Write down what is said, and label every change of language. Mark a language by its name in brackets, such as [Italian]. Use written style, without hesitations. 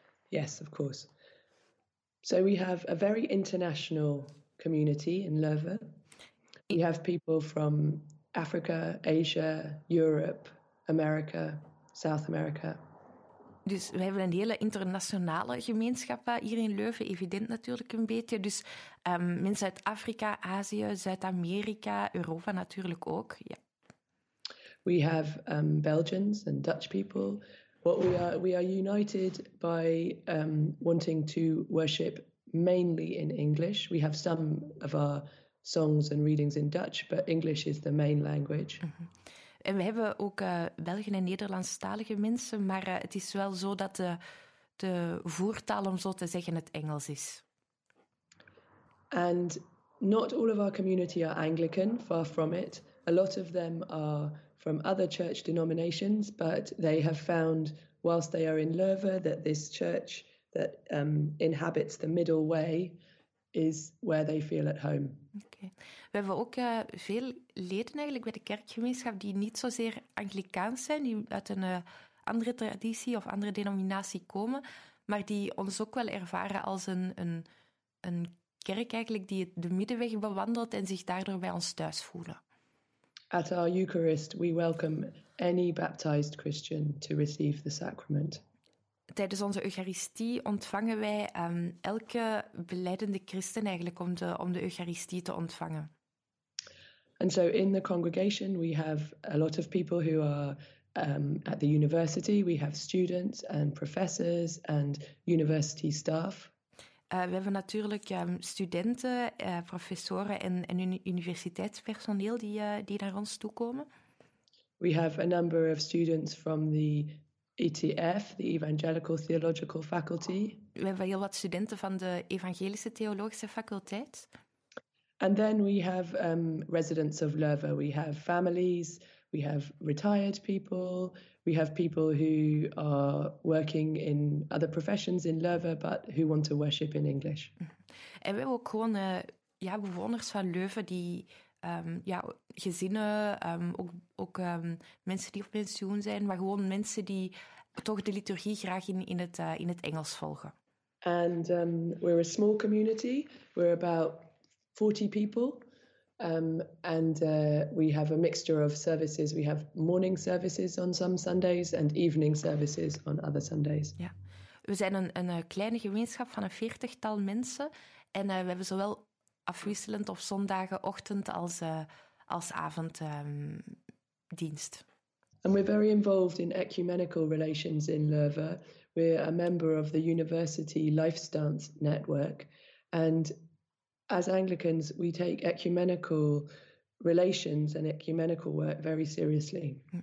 [English] Yes, of course. So we have a very international community in Leuven. We have people from Africa, Asia, Europe, America, South America. [Dutch] Dus we hebben een hele internationale gemeenschap hier in Leuven, evident natuurlijk een beetje. Dus mensen uit Afrika, Azië, Zuid-Amerika, Europa natuurlijk ook. Ja. [English] We have Belgians and Dutch people. We are united by wanting to worship mainly in English. We have some of our songs and readings in Dutch, but English is the main language. Mm-hmm. [Dutch] En we hebben ook Belgen en Nederlandstalige mensen, maar het is wel zo dat de voertaal, om zo te zeggen, het Engels is. [English] And not all of our community are Anglican, far from it. A lot of them are from other church denominations, but they have found, whilst they are in Leuven, that this church that inhabits the middle way is where they feel at home. Okay. [Dutch] We hebben ook veel leden eigenlijk bij de kerkgemeenschap die niet zozeer Anglicaans zijn, die uit een andere traditie of andere denominatie komen, maar die ons ook wel ervaren als een kerk eigenlijk die de middenweg bewandelt en zich daardoor bij ons thuis voelen. [English] At our Eucharist, we welcome any baptized Christian to receive the sacrament. [Dutch] Tijdens onze Eucharistie ontvangen wij elke beleidende christen eigenlijk om de Eucharistie te ontvangen. [English] And so in the congregation we have a lot of people who are at the university. We have students and professors and university staff. [Dutch] We hebben natuurlijk studenten, professoren en universiteitspersoneel die naar ons toekomen. [English] We have a number of students from the ETF, the Evangelical Theological Faculty. [Dutch] We hebben heel wat studenten van de Evangelische Theologische Faculteit. [English] And then we have residents of Leuven. We have families, we have retired people, we have people who are working in other professions in Leuven, but who want to worship in English. [Dutch] En we hebben ook gewoon bewoners van Leuven die gezinnen, ook mensen die op pensioen zijn, maar gewoon mensen die toch de liturgie graag in het Engels volgen. [English] And we're a small community. We're about 40 people, we have a mixture of services. We have morning services on some Sundays and evening services on other Sundays. [Dutch] Ja, we zijn een kleine gemeenschap van een 40-tal mensen en we hebben zowel afwisselend op zondagenochtend als avond dienst. [English] And we're very involved in ecumenical relations in Leuven. We're a member of the University Lifestance Network, and as Anglicans, we take ecumenical relations and ecumenical work very seriously.